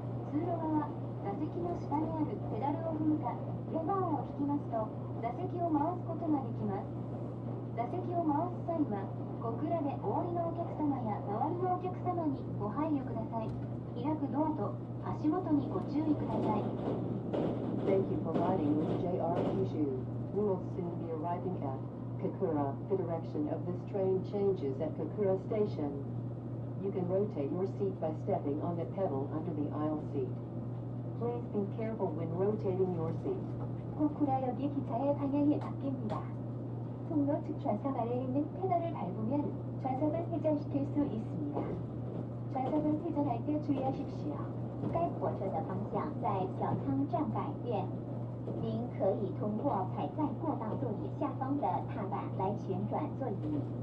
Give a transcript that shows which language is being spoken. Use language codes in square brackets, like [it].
[ja] 通路側、座席の下にあるペダルを踏むか、レバーを引きますと座席を回すことができます。座席を回す際は、小倉でお降りのお客様や周りのお客様にご配慮ください。開くドアと足元にご注意ください。 [en] Thank you for riding with JR Kyushu. We will soon be arriving at Kakura. The direction of this train changes at Kakura Station. You can rotate your seat by stepping on the pedal under the aisle seat. Please be careful when rotating your seat. [ko] 고쿠라역 기차의 방향이 바뀝니다. 통로 측좌석 아래에 있는 페달을 밟으면 좌석을 회전시킬 수 있습니다. 좌석을 회전할 때 주의하십시오. [zh] 该火车的方向在小仓站改变，您可以通过踩在过道座椅下方的踏板来旋转座椅。